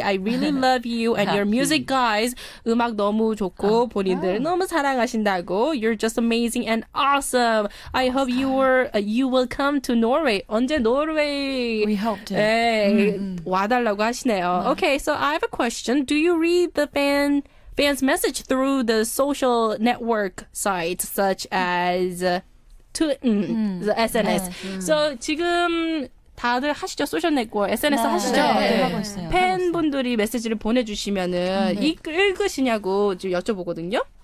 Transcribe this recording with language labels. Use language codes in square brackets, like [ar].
[en] I really love you and your music, guys. [ko] 음악 너무 좋고 본인들 너무 사랑하신다고. [en] You're just amazing and awesome. I hope you were you will come to Norway. [ko] 언제 노르웨이? [en] We hope to. [ko] 네, 와달라고 하시네요. [en] Okay, so I have a question. Do you read the fans' message through the social network sites such as the SNS. [ko] 네, so 지금 다들 하시죠? 소셜 네트워크 SNS 네, 하시죠? 네, 네. 네. 팬분들이 메시지를 보내주시면은 네. 읽으시냐고 지금 여쭤보거든요.